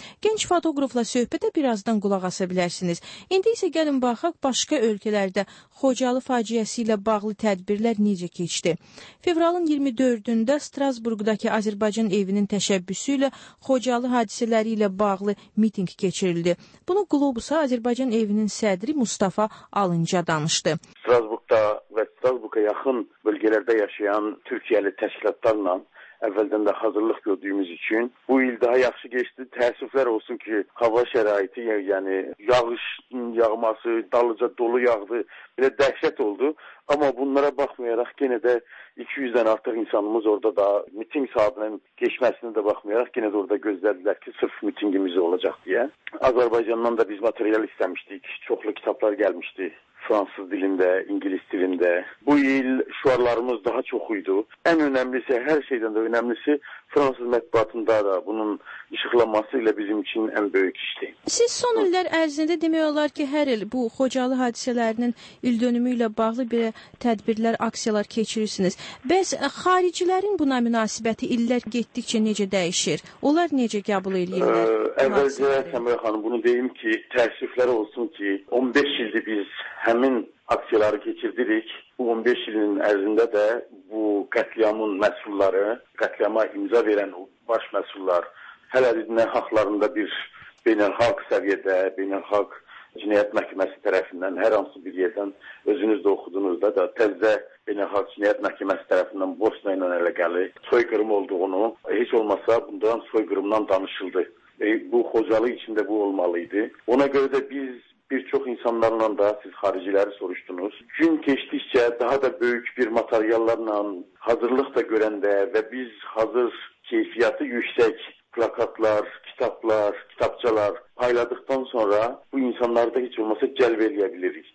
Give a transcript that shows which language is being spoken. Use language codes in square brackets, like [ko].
[az] Gənc fotoqrafla söhbətə birazdan qulaq asa bilərsiniz. İndi isə gəlin baxaq, başqa ölkələrdə Xocalı faciəsi ilə bağlı tədbirlər necə keçdi. Fevralın 24-də Strasburqdakı Azərbaycan evinin təşəbbüsü ilə Xocalı hadisələri ilə bağlı miting keçirildi. Bunu Qlobusa Azərbaycan evinin sədri Mustafa Alınca danışdı. [tr] Strasburg'da ve Strasburg'a yakın bölgelerde yaşayan Türkiye'li teşkilatlarla evvelden de hazırlık gördüğümüz için bu il daha yaxşı geçti. [az] Təəssüflər olsun ki, hava şəraiti, yani yağışın yağması, dalıca dolu yağdı, bir de dəhşət oldu. [tr] Ama bunlara bakmayarak yine de 200'den artık insanımız orada da miting saatinin geçmesine de bakmayarak yine de orada gözlediler ki sırf mitingimiz olacak diye. Azerbaycan'dan da biz materyal istemiştik, çoklu kitaplar gelmişti. Fransız dilinde, İngiliz dilinde. Bu yıl şuarlarımız daha çok uydu. En önemlisi, her şeyden de önemlisi [az] Fransız mətbuatında da bunun işıqlanması ilə bizim üçün ən böyük işdir. Siz son illər ərzində demək olar ki, hər il bu Xocalı hadisələrinin il dönümü ilə bağlı bir tədbirlər, aksiyalar keçirirsiniz. Bəs xaricilərin buna münasibəti illər getdikcə necə dəyişir? Onlar necə qəbul edirlər? Əvvəlcə, Səmrə xanım, bunu deyim ki, təəssüflər olsun ki, 15 ildir biz həmin aksiyaları keçirdirik. Bu 15 ilin ərzində də bu qətliamın məsulları, qətliama imza verən baş məsullar hələ nə haqlarında bir beynəlxalq səviyyədə, beynəlxalq cinayət məhkəməsi tərəfindən hər hansı bir yerdən özünüz də oxudunuz da təzə beynəlxalq cinayət məhkəməsi tərəfindən Bosna ilə əlaqəli soyqırım olduğunu, heç olmasa bundan soyqırımdan danışıldı. Bu Xocalı içində bu olmalıydı. Ona görə də biz bir çox insanlarla da siz xariciləri soruşdunuz. Gün keçdikcə daha da böyük bir materiallarla hazırlıq da görəndə və biz hazır keyfiyyəti yüksək plakatlar, kitablar, kitabçalar payladıqdan sonra bu insanları da heç olmasa cəlb eləyə bilirik.